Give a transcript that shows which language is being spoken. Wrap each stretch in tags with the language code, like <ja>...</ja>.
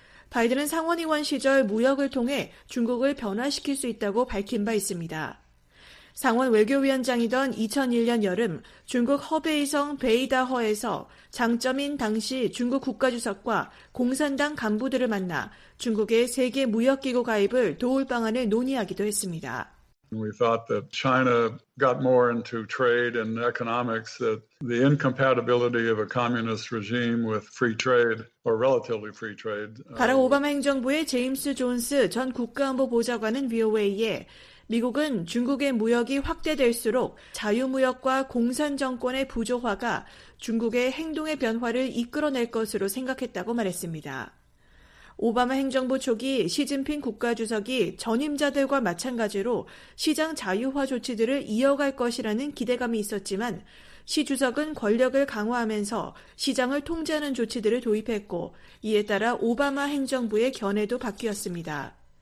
<ko>바이든은 상원의원 시절 무역을 통해 중국을 변화시킬 수 있다고 밝힌 바 있습니다. 상원 외교위원장이던 2001년 여름 중국 허베이성 베이다허에서 장쩌민 당시 중국 국가주석과 공산당 간부들을 만나 중국의 세계 무역기구 가입을 도울 방안을 논의하기도 했습니다.</ko> <en>We thought that China got more into trade and economics, that the incompatibility of a communist regime with free trade or relatively free trade.</en> <ko>바락 오바마 행정부의 제임스 존스 전 국가안보보좌관은 VOA에 미국은 중국의 무역이 확대될수록 자유무역과 공산정권의 부조화가 중국의 행동의 변화를 이끌어낼 것으로 생각했다고 말했습니다. 오바마 행정부 초기 시진핑 국가주석이 전임자들과 마찬가지로 시장 자유화 조치들을 이어갈 것이라는 기대감이 있었지만 시 주석은 권력을 강화하면서 시장을 통제하는 조치들을 도입했고 이에 따라 오바마 행정부의 견해도 바뀌었습니다.</ko>